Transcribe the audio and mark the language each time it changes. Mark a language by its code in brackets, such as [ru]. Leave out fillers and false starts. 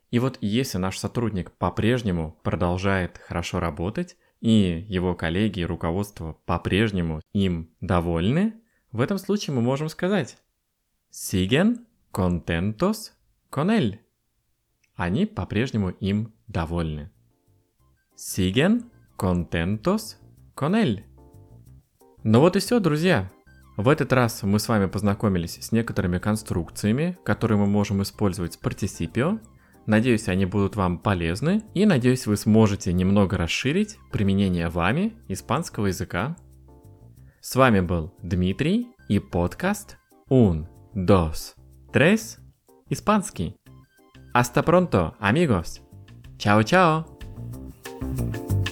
[ru] И вот если наш сотрудник по-прежнему продолжает хорошо работать, и его коллеги и руководство по-прежнему им довольны, в этом случае мы можем сказать [es] siguen contentos con él. [ru] Они по-прежнему им довольны. [es] Siguen contentos con él. [ru] Ну вот и все, друзья. В этот раз мы с вами познакомились с некоторыми конструкциями, которые мы можем использовать с participio. Надеюсь, они будут вам полезны. И надеюсь, вы сможете немного расширить применение вами испанского языка. С вами был Дмитрий и подкаст Un, dos, tres, испанский. [es] Hasta pronto, amigos. [ru] Чао-чао.